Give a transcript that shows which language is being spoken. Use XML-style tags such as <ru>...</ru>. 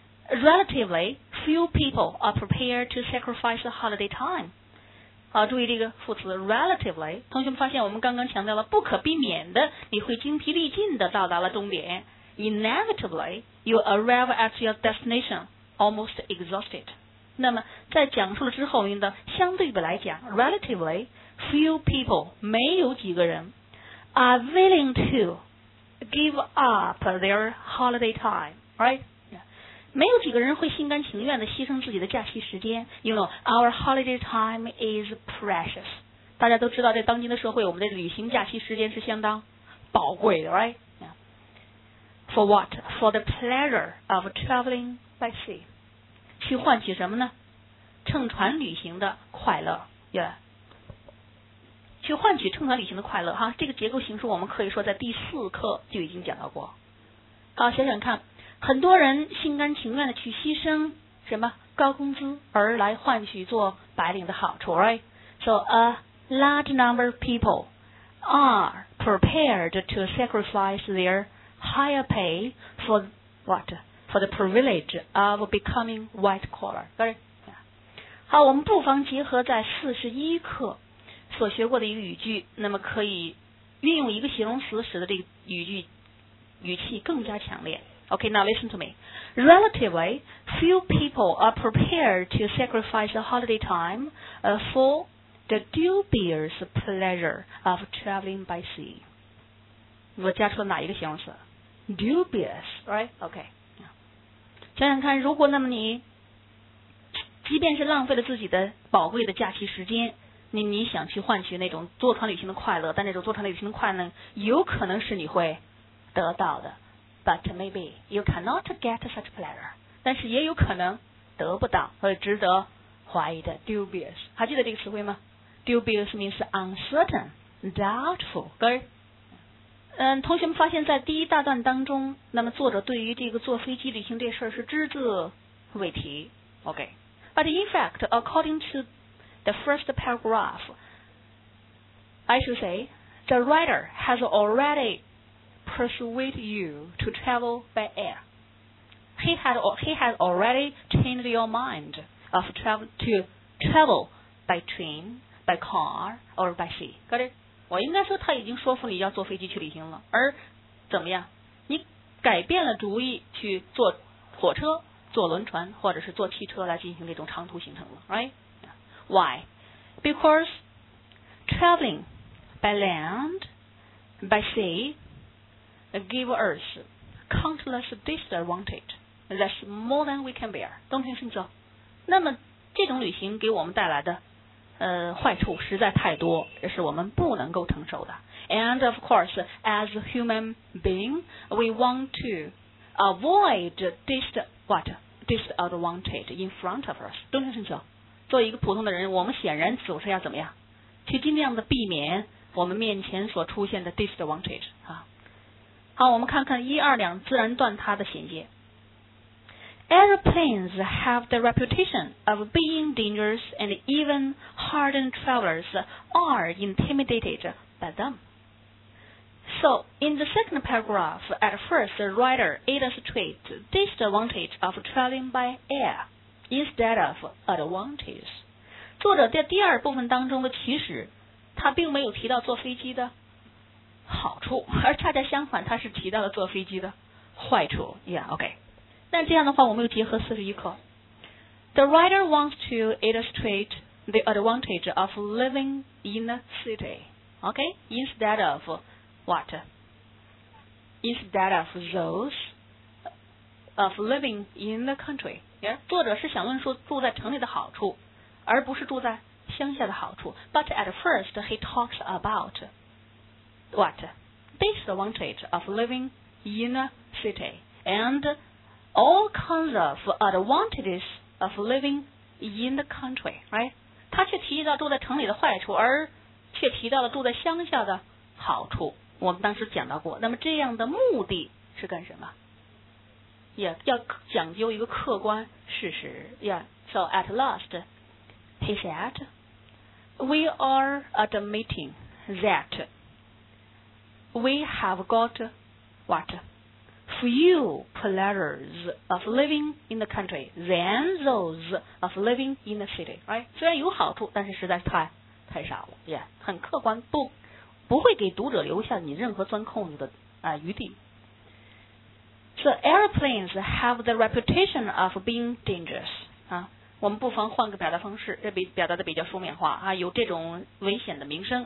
<en>Relatively, few people are prepared to sacrifice the holiday time.</en> <zh>好，注意这个副词 relatively。同学们发现，我们刚刚强调了不可避免的，你会精疲力尽的到达了终点。</zh> <en>Inevitably, you arrive at your destination almost exhausted。</en> <zh>那么，在讲述了之后，用的相对比来讲 ，</zh> <en>relatively few people</en> <zh>没有几个人</zh> <en>are willing to give up their holiday time, right?</en> <zh>没有几个人会心甘情愿地牺牲自己的假期时间，</zh> <en>You know, our holiday time is precious.</en> <zh>大家都知道在当今的社会，我们的旅行假期时间是相当宝贵的，</zh> <en>right? For what? For the pleasure of traveling by sea.</en> <zh>去换取什么呢？乘船旅行的快乐。</zh> <en>Yeah.</en> <zh>去换取乘船旅行的快乐哈，这个结构形式我们可以说在第四课就已经讲到过。好，想想看，很多人心甘情愿的去牺牲什么高工资而来换取做白领的好处 ，</zh> <en>right? So a large number of people are prepared to sacrifice their higher pay for what? For the privilege of becoming white collar. Right? Yeah.</en> <zh>好，我们不妨结合在41课所学过的一个语句，那么可以运用一个形容词使得这个语句语气更加强烈。</zh> <en>Okay, now listen to me. Relatively, few people are prepared to sacrifice the holiday time for the dubious pleasure of traveling by sea.</en> <zh>我加出了哪一个形容词？</zh> <en>Dubious, right? Okay.</en> <zh>想想看，如果那么你即便是浪费了自己的宝贵的假期时间，你想去换取那种坐船旅行的快乐，但那种坐船旅行的快乐有可能是你会得到的。</zh> <en>But maybe you cannot get such pleasure.</en> <zh>但是也有可能得不到或者值得怀疑的 dubious. 还记得这个词汇吗？</zh> <en>Dubious means uncertain, doubtful.</en> <zh>同学们发现，在第一大段当中，那么作者对于这个坐飞机旅行这事儿是只字未提。</zh> <en>OK. But in fact, according to the first paragraph, I should say, the writer has already persuaded you to travel by air. He has already changed your mind of travel by train, by car, or by sea. Got it?</en> <zh>我应该说他已经说服你要坐飞机去旅行了。而怎么样？你改变了主意去坐火车、坐轮船或者是坐汽车来进行这种长途行程了。</zh> <en>Right? Why? Because traveling by land, by sea, give us countless disadvantage that's more than we can bear. 冬天生走。</en> <zh>那么这种旅行给我们带来的坏处实在太多，这是我们不能够承受的。</zh> <en>And of course, as a human being, we want to avoid disadvantage in front of us. 冬天生走。</en> <zh>作为一个普通的人，我们显然总是要怎么样？去尽量的避免我们面前所出现的 disadvantage 啊。好，我们看看一二两自然段它的衔接。</zh> <en>Airplanes have the reputation of being dangerous and even hardened travelers are intimidated by them. So, in the second paragraph, at first, the writer illustrates the disadvantage of traveling by air instead of advantages.</en> <zh>作者在第二部分当中的其实他并没有提到坐飞机的好处，而恰恰相反，他是提到了坐飞机的坏处。</zh> <en>Yeah, okay.</en> <zh>那这样的话我们又结合41课。</zh> <en>The writer wants to illustrate the advantage of living in a city. Okay? Instead of what? Instead of those of living in the country. Yeah?</en> <zh>作者是想论述住在城里的好处，而不是住在乡下的好处。</zh> <en>But at first he talks about what? Disadvantage of living in a city and all kinds of advantages of living in the country, right?</en> <zh>他却提到住在城里的坏处，而却提到了住在乡下的好处。我们当时讲到过，那么这样的目的是干什么？</zh> <en>Yeah,</en> <zh>要讲究一个客观事实。</zh> <en>Yeah, so at last, he said, we are admitting that we have got what? Few pleasures of living in the country than those of living in the city, right?</en> <zh>虽然有好处，但是实在是太少了，</zh> <en>yeah,</en> <zh>很客观，不会给读者留下你任何钻空子的余地。</zh> <en>So airplanes have the reputation of being dangerous.</en> <zh>啊，我们不妨换个表达方式，这表达的比较书面化啊，有这种危险的名声。</zh>